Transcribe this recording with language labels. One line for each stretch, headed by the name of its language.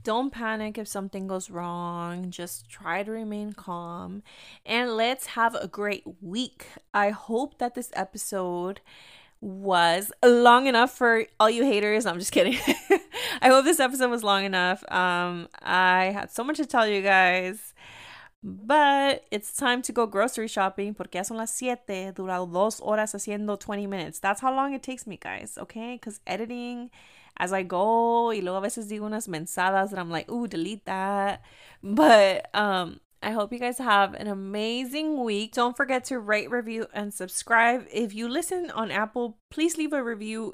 English: Don't panic if something goes wrong. Just try to remain calm and let's have a great week. I hope that this episode was long enough for all you haters. I'm just kidding. I hope this episode was long enough. I had so much to tell you guys, but it's time to go grocery shopping.
Spanish: Porque ya son las siete, durado 2 horas haciendo 20 minutes.
English: That's how long it takes me, guys. Okay, because editing as I go,
Spanish: y luego a veces digo unas mensadas
English: that I'm like, ooh, delete that. But I hope you guys have an amazing week. Don't forget to rate, review, and subscribe. If you listen on Apple, please leave a review.